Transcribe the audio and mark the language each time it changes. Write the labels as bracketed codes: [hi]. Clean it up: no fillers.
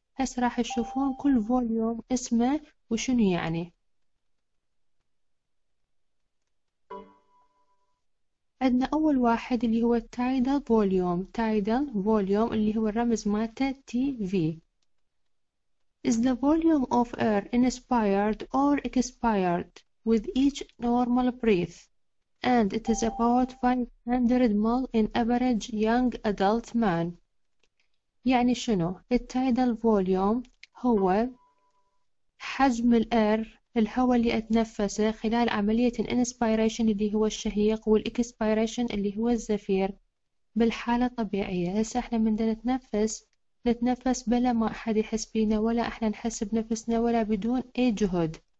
[ar] هسه راح تشوفون كل فوليوم اسمه وشنو يعني. عندنا أول واحد اللي هو tidal volume، tidal volume اللي هو الرمز مالته TV. [en] Is the volume of air inspired or expired with each normal breath, and it is about 500 ml in average young adult man. [ar] يعني شنو؟ التايدل فوليوم هو حجم الاير، الهواء اللي اتنفسه خلال عملية الانسبيريشن اللي هو الشهيق والاكسبيريشن اللي هو الزفير بالحالة الطبيعية. هسه احنا من دا نتنفس بلا ما احد يحس بينا، ولا احنا نحس بنفسنا، ولا بدون اي جهد.